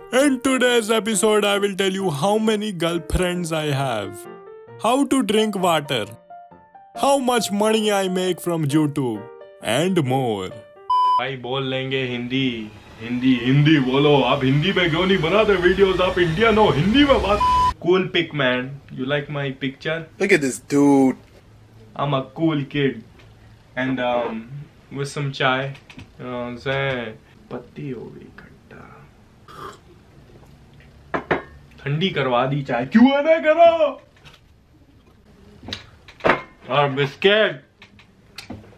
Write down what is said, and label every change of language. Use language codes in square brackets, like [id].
[en] In today's episode, I will tell you how many girlfriends I have, how to drink water, how much money I make from YouTube, and more. [hi] भाई, बोल लेंगे हिंदी। हिंदी, हिंदी, बोलो। आप हिंदी में क्यों नहीं बनाते videos? आप इंडिया नो, हिंदी में बात। [en] Cool pic, man. You like my picture? Look at this dude. I'm a cool kid. And with some chai, you know what I'm saying? [hi] पत्ती होगी खट्टा। ठंडी करवा दी चाय। क्यों न करो? और बिस्किट।